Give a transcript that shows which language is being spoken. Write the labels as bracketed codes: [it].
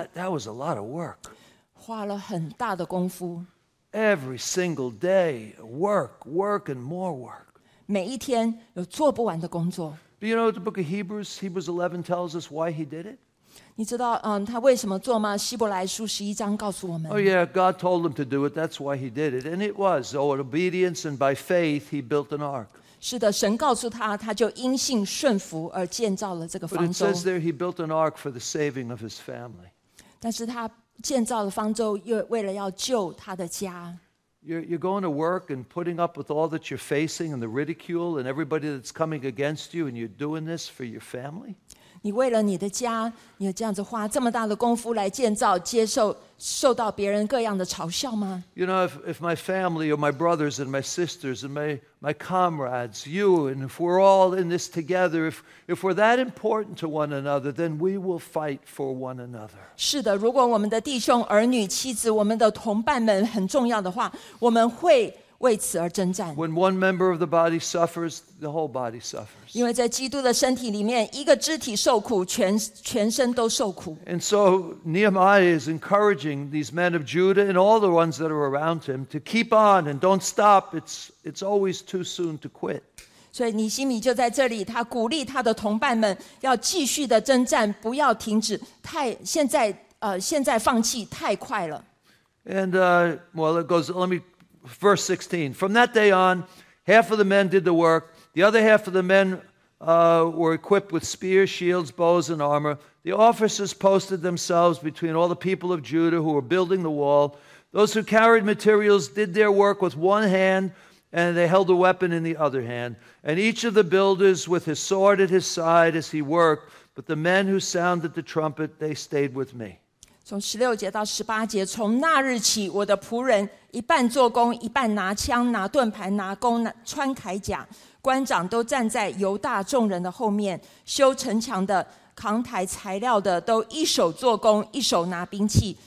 [en] That was a lot of work. [zh] 花了很大的功夫。 [en] Every single day, work, work, and more work. [zh] 每一天有做不完的工作。 [en] But you know the book of Hebrews, Hebrews 11 tells us why he did it. [zh] 你知道，他为什么做吗？希伯来书十一章告诉我们。 [en] Oh yeah, God told him to do it. That's why he did it, and it was. Oh, in obedience and by faith, he built an ark. [zh] 是的，神告诉他，他就因信顺服而建造了这个方舟。 [en] But it says there he built an ark for the saving of his family. [zh] 但是他建造了方舟，又为了要救他的家。 [en] You're going to work and putting up with all that you're facing and the ridicule and everybody that's coming against you, and you're doing this for your family? [zh] 你为了你的家，你这样子花这么大的功夫来建造，接受受到别人各样的嘲笑吗？ [en] You know, if my family or my brothers and my sisters and my comrades, you, and if we're all in this together, if we're that important to one another, then we will fight for one another. [zh] 是的，如果我们的弟兄、儿女、妻子、我们的同伴们很重要的话，我们会为此而征战。 [en] When one member of the body suffers, the whole body suffers. [zh] 因为在基督的身体里面，一个肢体受苦，全身都受苦。 [en] And so Nehemiah is encouraging these men of Judah and all the ones that are around him to keep on and don't stop. It's always too soon to quit. [zh] 所以尼希米就在这里，他鼓励他的同伴们要继续的征战，不要停止。现在放弃太快了。 [en] And well, it goes. Verse 16, from that day on, half of the men did the work, the other half of the men were equipped with spears, shields, bows, and armor. The officers posted themselves between all the people of Judah who were building the wall. Those who carried materials did their work with one hand, and they held a weapon in the other hand. And each of the builders with his sword at his side as he worked, but the men who sounded the trumpet, they stayed with me. [zh] 从十六节到十八节，从那日起，我的仆人一半做工，一半拿枪、拿盾牌、拿弓、穿铠甲。官长都站在犹大众人的后面，修城墙的、扛抬材料的，都一手做工，一手拿兵器。